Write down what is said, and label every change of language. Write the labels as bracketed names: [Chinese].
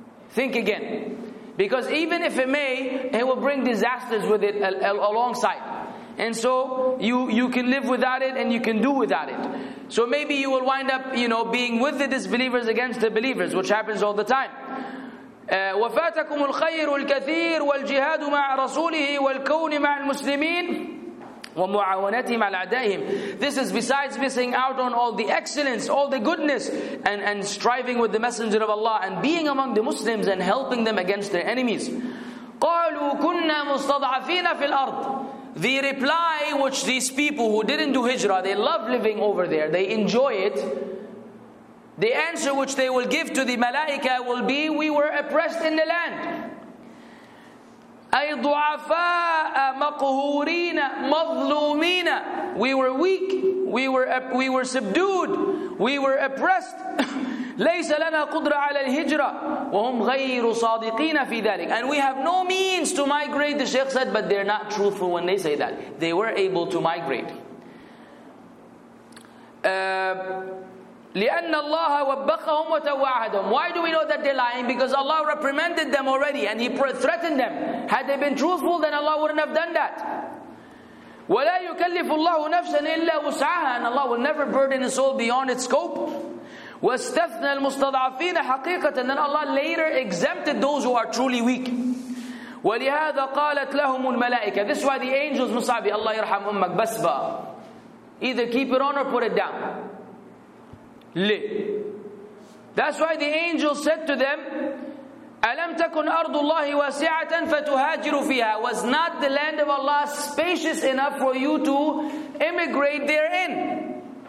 [English] Think again. Because even if it may, it will bring disasters with it alongside. And so you can live without it and you can do without it. So maybe you will wind up, you know, being with the disbelievers against the believers, which happens all the time. [Arabic] وفاتكم الخير الكثير والجهاد مع رسوله والكون مع المسلمين ومعاونتهم على أعدائهم. [English] This is besides missing out on all the excellence, all the goodness, and striving with the Messenger of Allah and being among the Muslims and helping them against their enemies. [Arabic] قالوا كنا مستضعفين في الأرض. [English] The reply which these people who didn't do hijrah, they love living over there, they enjoy it. The answer which they will give to the malaika will be, we were oppressed in the land. [Arabic] أي ضعفاء مقهورين مظلومين. [English] We were weak, we were subdued, we were oppressed. [Arabic] ليس لنا قدرة على الهجرة وهم غير صادقين في ذلك. [English] And we have no means to migrate, the Sheikh said, but they're not truthful when they say that. They were able to migrate. [Arabic] لأن الله وبخهم وتوعدهم. [English] Why do we know that they're lying? Because Allah reprimanded them already and He threatened them. Had they been truthful, then Allah wouldn't have done that. [Arabic] ولا يكلف الله نفسا إلا وسعها. [English] And Allah will never burden a soul beyond its scope. [Arabic] واستثنى المستضعفين حقيقة. [English] And then Allah later exempted those who are truly weak. [Arabic] ولهذا قالت لهم الملائكة. [English] This is why the angels مصابي. [Arabic] الله يرحم أمك بسبا. [English] Either keep it on or put it down. لي. That's why the angels said to them, [Arabic] ألم تكن أرض الله واسعة فتهاجروا فيها. [English] Was not the land of Allah spacious enough for you to immigrate therein?